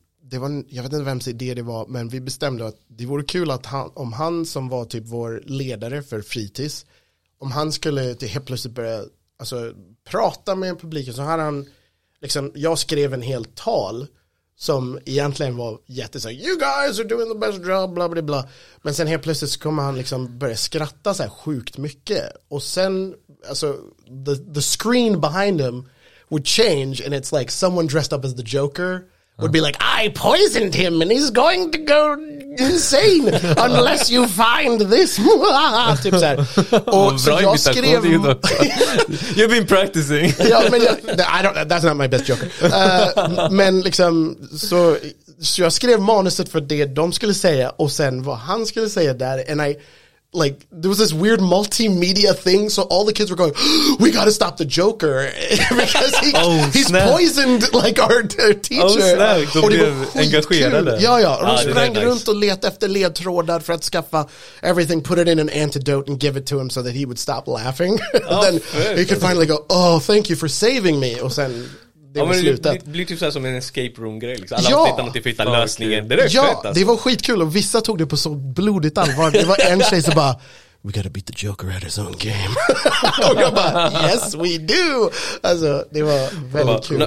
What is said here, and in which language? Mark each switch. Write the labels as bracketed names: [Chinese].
[Swedish] det var, jag vet inte vems idé det var, men vi bestämde att det vore kul att han, om han som var typ vår ledare för fritids, om han skulle till helt plötsligt börja... Alltså prata med publiken. Så här han liksom, jag skrev en hel tal som egentligen var jättesåg, [English] you guys are doing the best job, [Swedish] bla bla bla. Men sen helt plötsligt så kommer han liksom börja skratta så här sjukt mycket. Och sen, alltså [English] the screen behind him would change and it's like someone dressed up as the Joker would be like, I poisoned him and he's going to go insane unless you find this. [Swedish] Typ så här. Och så jag skrev... [English] You've been practicing. [Swedish] Ja, men [English] that's not my best joke. [Swedish] Men liksom, så jag skrev manuset för det de skulle säga och sen vad han skulle säga där. [English] And I, like, there was this weird multimedia thing, so all the kids were going, we gotta stop the Joker because he's snap. Poisoned like our teacher. [Swedish] Oh, och det var engagerade. Ja, de sprang runt och letade efter ledtrådar för att skaffa [English] everything, put it in an antidote and give it to him so that he would stop laughing. And then he could finally go, oh, thank you for saving me. [Swedish] Och sen... Det, ja, det blir typ så här som en escape room grej liksom. Alla har tittat något i fitta lösningen. Det är ja, fett, alltså. Det var skitkul och vissa tog det på så blodigt allvar. Det var en tjej som bara, [English] we gotta beat the Joker at his own game. [Swedish] Och jag bara, [English] yes we do. [Swedish] Alltså det var väldigt bara,